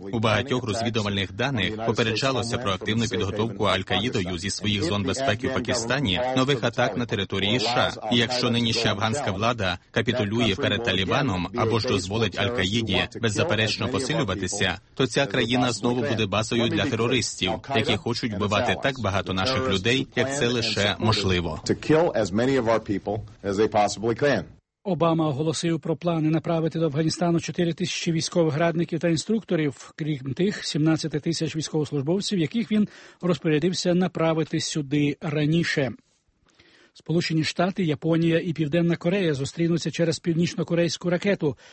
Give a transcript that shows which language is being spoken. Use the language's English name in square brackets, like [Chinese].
[Ukrainian] У багатьох розвідувальних даних попереджалося про активну підготовку Аль-Каїдою зі своїх зон безпеки в Пакистані нових атак на території США. І якщо нинішня афганська влада капітулює перед Таліваном або ж дозволить Аль-Каїді беззаперечно посилюватися, то ця країна знову буде базою для терористів, які хочуть вбивати так багато наших людей, як це лише можливо. [English] To kill as many of our people as they possibly can. [Ukrainian] Обама оголосив про плани направити до Афганістану 4 тисячі військових радників та інструкторів, крім тих 17 тисяч військовослужбовців, яких він розпорядився направити сюди раніше. Сполучені Штати, Японія і Південна Корея зустрінуться через північно-корейську ракету.